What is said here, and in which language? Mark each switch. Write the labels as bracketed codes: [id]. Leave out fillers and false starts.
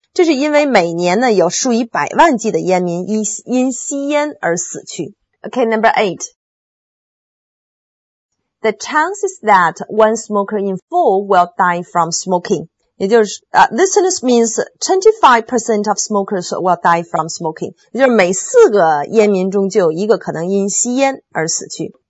[zh] 这是因为每年呢有数以百万计的烟民因吸烟而死去。 [en] Okay, number eight. The chances that one smoker in four will die from smoking. [zh] 也就是 [en] this sentence means 25% of smokers will die from smoking. [zh] 也就是每四个烟民中就有一个可能因吸烟而死去。